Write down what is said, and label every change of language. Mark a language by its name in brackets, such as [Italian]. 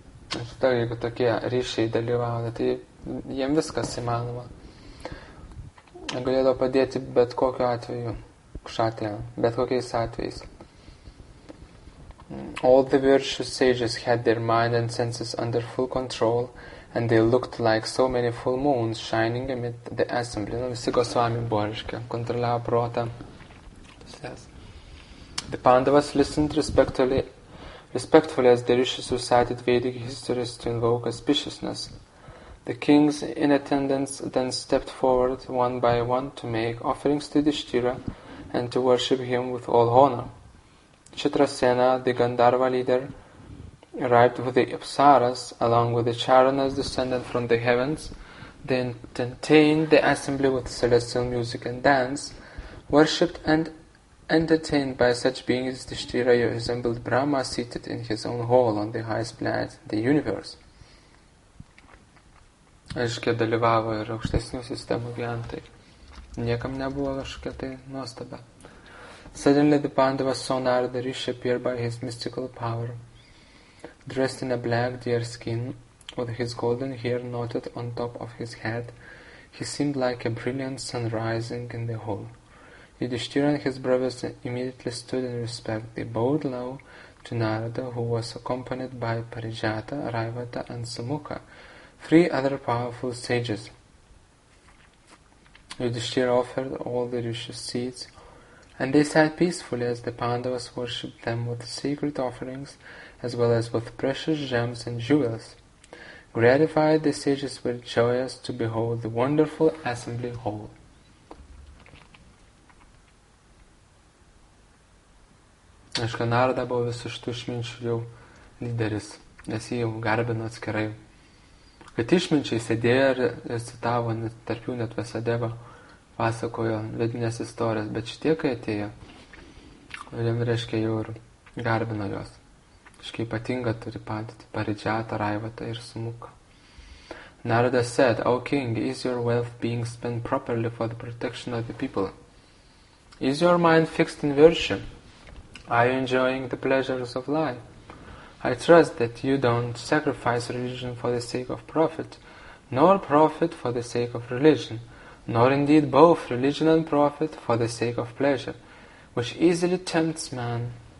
[Lithuanian] Štai, jeigu tokie rišiai dalyvauja, tai jiems viskas įmanoma. Galėdavo padėti bet kokiu atveju, bet kokiais atvejais. [English] All the virtuous sages had their mind and senses under full control, and they looked like so many full moons shining amid the assembly. [Lithuanian] Nu, visi Gosvami buvo, reiškia, kontroliavo protą. [English] The Pandavas listened respectfully as the rishis recited Vedic histories to invoke auspiciousness. The kings in attendance then stepped forward one by one to make offerings to Yudhishthira and to worship him with all honor. Chitrasena, the Gandharva leader, arrived with the Apsaras, along with the Charanas descended from the heavens. They entertained the assembly with celestial music and dance. Worshipped and entertained by such beings, Yudhishthira resembled Brahma seated in his own hall on the highest planet, the universe. [Lithuanian] aiškiai dalyvavo ir aukštesnių sistemų gyventojai. Niekam nebuvo kažkokia tai nuostaba. [English] Suddenly the Pandava sonar the rish appeared by his mystical power. Dressed in a black deer skin, with his golden hair knotted on top of his head, he seemed like a brilliant sun rising in the hall. Yudhishthira and his brothers immediately stood in respect. They bowed low to Narada, who was accompanied by Parijata, Raivata, and Samukha, three other powerful sages. Yudhishthira offered all the rishis seats, and they sat peacefully as the Pandavas worshipped them with sacred offerings as well as with precious gems and jewels. Gratified, the sages were joyous to behold the wonderful assembly hall. [Lithuanian] Aišku, Narada buvo visų šitų išminčių jau lyderis, nes jį jau garbino atskirai. Kad išminčiai sėdėjo ir citavo, net, tarp jų net Vasudeva pasakojo vedinės istorijas, bet šitie, kai atėjo, jiems reiškia jau ir garbino jos. Aišku, ypatinga turi padėti Parijata, Raivata ir Samukha. [English] Narada said, O king, is your wealth being spent properly for the protection of the people? Is your mind fixed in virtue? Are you enjoying the pleasures of life? I trust that you don't sacrifice religion for the sake of profit, nor profit for the sake of religion, nor indeed both religion and profit for the sake of pleasure, which easily tempts man.